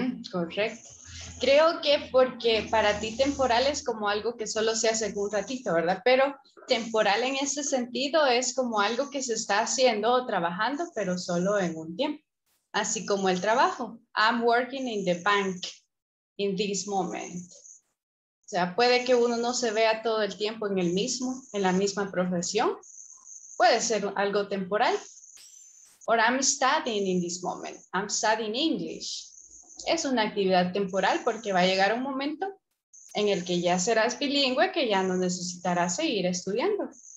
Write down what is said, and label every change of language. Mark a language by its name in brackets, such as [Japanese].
[Spanish] Correcto. Creo que porque para ti temporal es como algo que solo se hace un ratito, ¿verdad? Pero temporal en ese sentido es como algo que se está haciendo o trabajando, pero solo en un tiempo. Así como el trabajo. [English] I'm working in the bank in this moment. [Spanish] O sea, puede que uno no se vea todo el tiempo en el mismo, en la misma profesión. Puede ser algo temporal. [English] Or I'm studying in this moment. I'm studying English. [Spanish] Es una actividad temporal porque va a llegar un momento en el que ya serás bilingüe, que ya no necesitarás seguir estudiando.